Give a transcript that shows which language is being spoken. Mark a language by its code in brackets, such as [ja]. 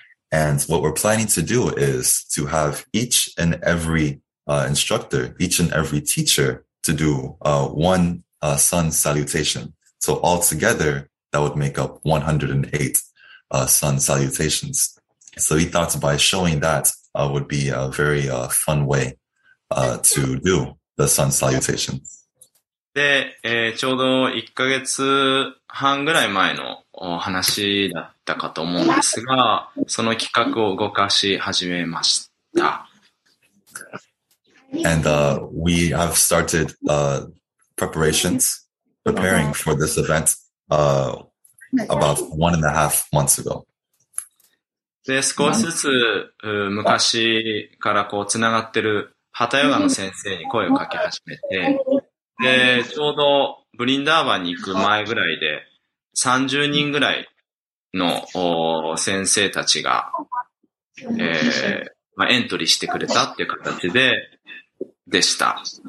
[en] And what we're planning to do is to have each and every instructor, each and every teacher to do one sun salutation. So all together, that would make up 108 sun salutations. So he thought by showing that would be a very fun way to do the sun salutation. [ja] で、ちょうど1ヶ月半ぐらい前の話だったかと思うんですが、その企画を動かし始めました。 [en] And we have started preparations, preparing for this event. About 1.5 months ago. [ja] で、少しずつ昔からこうつながってるハタヨガの先生に声をかけ始めて、で、ちょうどブリンダーバンに行く前ぐらいで30人ぐらいの先生たちが、まあ、エントリーしてくれたっていう形で、でした。